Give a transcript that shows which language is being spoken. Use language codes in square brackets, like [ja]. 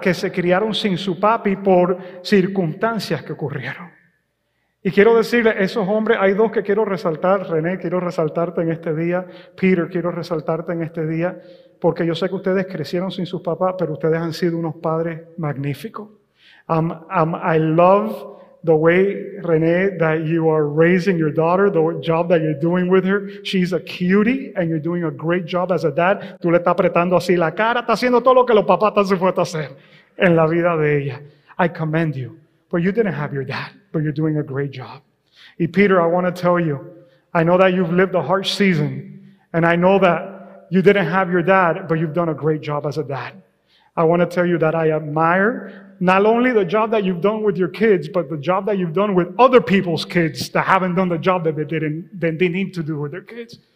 [es] Que se criaron sin su papi por circunstancias que ocurrieron. Y quiero decirle, esos hombres, hay dos que quiero resaltar, René, quiero resaltarte en este día, Peter, quiero resaltarte en este día, porque yo sé que ustedes crecieron sin su papá, pero ustedes han sido unos padres magníficos. [en] I love the way, René, that you are raising your daughter, the job that you're doing with her. She's a cutie and you're doing a great job as a dad. [es] Tú le estás apretando así la cara, estás haciendo todo lo que los papás están supuestos a hacer en la vida de ella. [en] I commend you, but you didn't have your dad, but you're doing a great job. Y Peter, I want to tell you, I know that you've lived a harsh season and I know that you didn't have your dad, but you've done a great job as a dad. I want to tell you that I admire not only the job that you've done with your kids, but the job that you've done with other people's kids that haven't done the job that they need to do with their kids.